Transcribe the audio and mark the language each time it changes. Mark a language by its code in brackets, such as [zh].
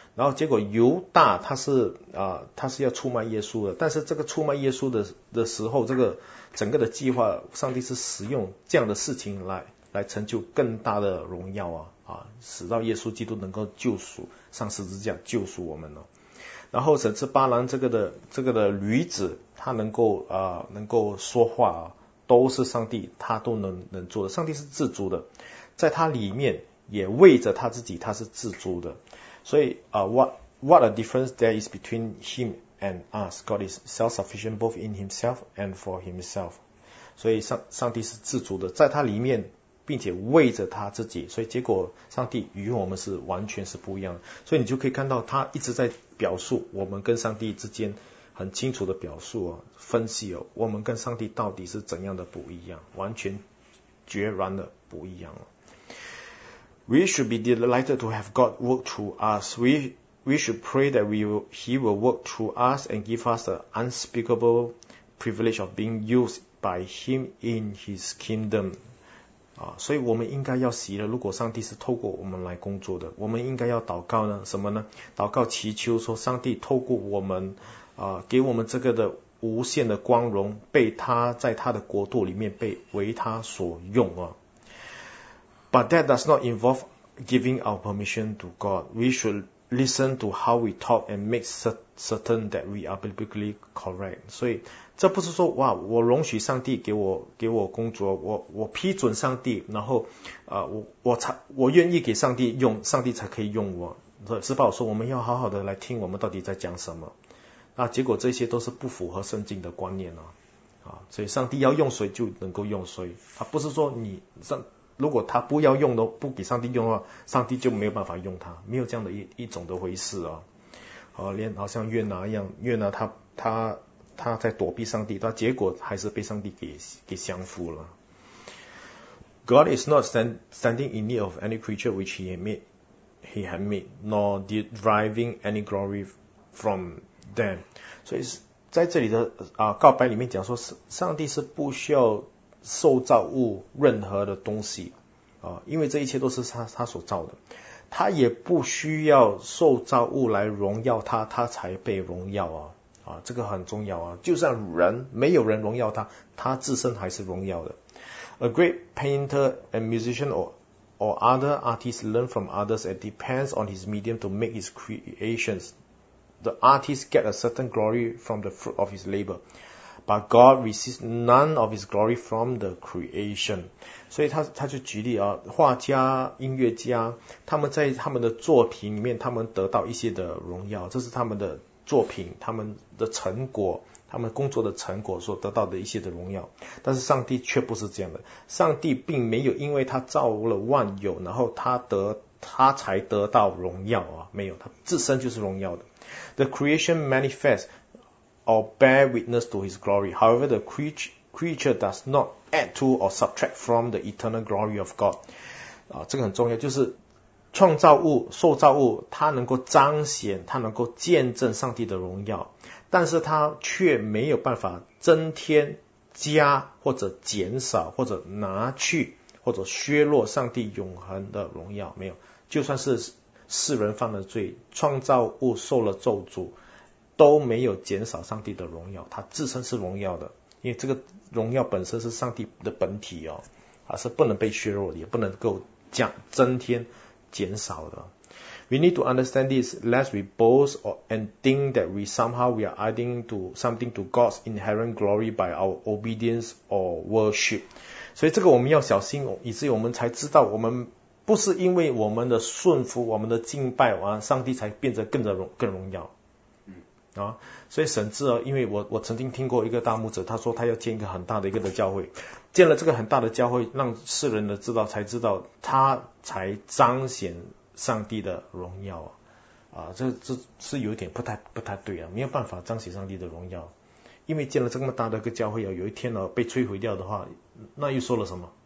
[zh] 然后结果犹大他是要出卖耶稣的，但是这个出卖耶稣的时候，这个整个的计划，上帝是使用这样的事情来成就更大的荣耀啊，使到耶稣基督能够救赎，上十字架救赎我们哦。然后甚至巴兰这个的驴子，他能够说话啊，都是上帝他都能做的。上帝是自主的，在他里面也为着他自己，他是自主的。所以 [en] what a difference there is between him and us. God is self-sufficient both in himself and for himself. [zh] 所以上帝是自主的，在他里面，并且为着他自己，所以结果上帝与我们是完全是不一样的。所以你就可以看到他一直在表述我们跟上帝之间很清楚的表述哦，分析哦，我们跟上帝到底是怎样的不一样，完全决然的不一样哦。 [en] We should be delighted to have God work through us. We should pray that He will work through us and give us the unspeakable privilege of being used by Him in His kingdom. [zh] 啊，所以我们应该要喜乐。如果上帝是透过我们来工作的，我们应该要祷告呢？什么呢？祷告祈求说，上帝透过我们，给我们这个的无限的光荣，被他在他的国度里面被为他所用啊。 [en] But that does not involve giving our permission to God. We should listen to how we talk and make certain that we are biblically correct. [zh] 所以这不是说哇，我容许上帝给我工作，我批准上帝，然后我愿意给上帝用，上帝才可以用我。是吧？我说我们要好好的来听我们到底在讲什么。那结果这些都是不符合圣经的观念哦。啊，所以上帝要用谁就能够用谁。他不是说如果他不要用的，不给上帝用的话，上帝就没有办法用他。没有这样的一种的回事哦。连好像约拿一样，约拿他在躲避上帝，但结果还是被上帝给降服了。 [en] God is not standing in need of any creature which he had made, nor deriving any glory from them. [zh] 所以在这里的告白里面讲说，上帝是不需要受造物任何的东西啊，因为这一切都是他所造的，他也不需要受造物来荣耀他，他才被荣耀啊。啊，这个很重要啊！就算人没有人荣耀他，他自身还是荣耀的。 [en] A great painter and musician or other artist learn from others and depends on his medium to make his creations. The artist get a certain glory from the fruit of his labor, but God receives none of his glory from the creation. [zh] 所以他就举例啊，画家、音乐家，他们在他们的作品里面，他们得到一些的荣耀，这是他们的作品，他们的成果，他们工作的成果所得到的一些的荣耀。但是上帝却不是这样的，上帝并没有因为他造了万有，然后他才得到荣耀啊，没有，他自身就是荣耀的。 [en] The creation manifests or bear witness to his glory. However, the creature does not add to or subtract from the eternal glory of God. [zh] 啊，这个很重要，就是创造物、受造物，它能够彰显，它能够见证上帝的荣耀，但是它却没有办法增添、加或者减少或者拿去或者削弱上帝永恒的荣耀，没有。就算是世人犯了罪，创造物受了咒诅，都没有减少上帝的荣耀，它自身是荣耀的，因为这个荣耀本身是上帝的本体哦，它是不能被削弱的，也不能够增添。减少的。 [en] We need to understand this, lest we boast and think that we somehow we are adding to something to God's inherent glory by our obedience or worship. [zh] 所以这个我们要小心，以至于我们才知道，我们不是因为我们的顺服、我们的敬拜，上帝才变得更荣耀。啊，所以甚至啊，因为我曾经听过一个大牧者，他说他要建一个很大的一个的教会，建了这个很大的教会，让世人的知道，才知道他才彰显上帝的荣耀啊，这是有点不太对啊，没有办法彰显上帝的荣耀，因为建了这么大的一个教会啊，有一天呢、啊、被摧毁掉的话，那又说了什么？